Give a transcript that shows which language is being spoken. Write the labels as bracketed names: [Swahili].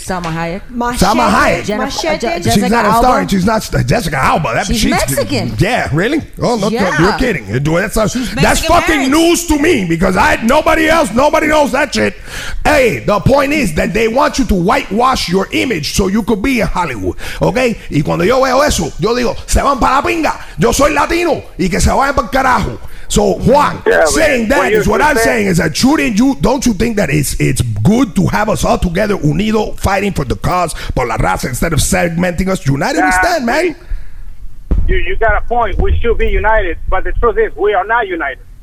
[English] Salma Hayek. She's not Jessica Alba. She's Mexican. Yeah, really? Oh, no, yeah. You're kidding. That's fucking news to me, because nobody knows that shit. Hey, the point is that they want you to whitewash your image so you could be in Hollywood. Okay? [Spanish] Y cuando yo veo eso, yo digo, se van para la pinga. Yo soy Latino. Y que se vayan para el carajo. [English] So Juan, saying that is what I'm saying, is that shouldn't you, don't you think that it's good to have us all together unido fighting for the cause, [Spanish] por la raza, [English] instead of segmenting us? United, we stand, man. You got a point. We should be united, but the truth is we are not united.